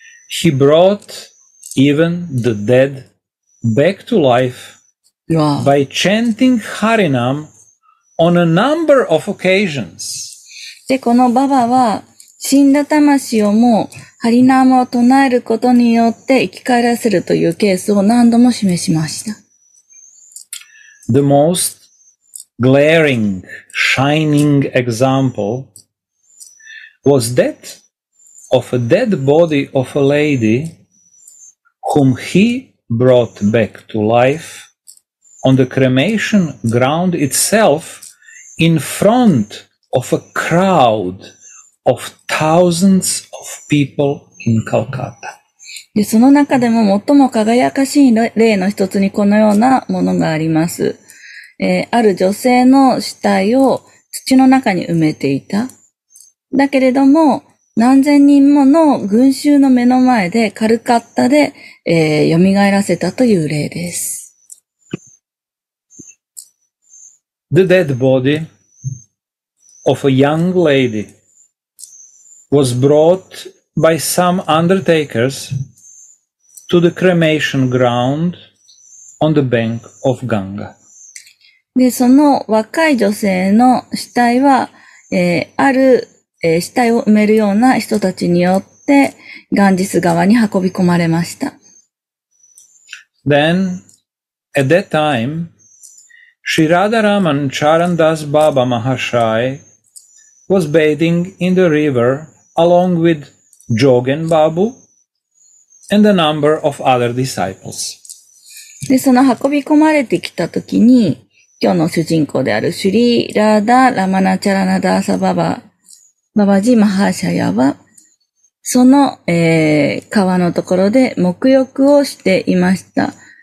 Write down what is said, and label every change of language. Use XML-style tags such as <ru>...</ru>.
<en>He brought even the dead back to life by chanting Harinam on a number of occasions.</en> <ja>で、このババは死んだ魂をもう、ハリナームを唱えることによって生き返らせるというケースを何度も示しました。</ja> <en>The most glaring, shining example was that of a dead body of a lady whom he brought back to life on the cremation ground itself in front of a crowd of thousands of people in Calcutta.</en> <ja>で、その中でも最も輝かしい例の一つにこのようなものがあります。ある女性の死体を土の中に埋めていた。だけれども、何千人もの群衆の目の前でカルカッタで、蘇らせたという例です。</ja> <en>The dead body of a young ladywas brought by some undertakers to the cremation ground on the bank of Ganga.</en> <ja>で、その若い女性の死体は、ある、死体を埋めるような人たちによってガンジス川に運び込まれました。</ja> <en>Then, at that time, Shri Radharaman Charan Das Baba Mahashai was bathing in the riveralong with Jogen Babu and a number of other disciples.</en> <ja>で、その運び込まれてきたときに、今日の主人公であるシュリー・ラーダ・ラマナ・チャラナ・ダーサ・ババ、ババジ・マハーシャヤは、その、川のところで沐浴をしていました。</ja>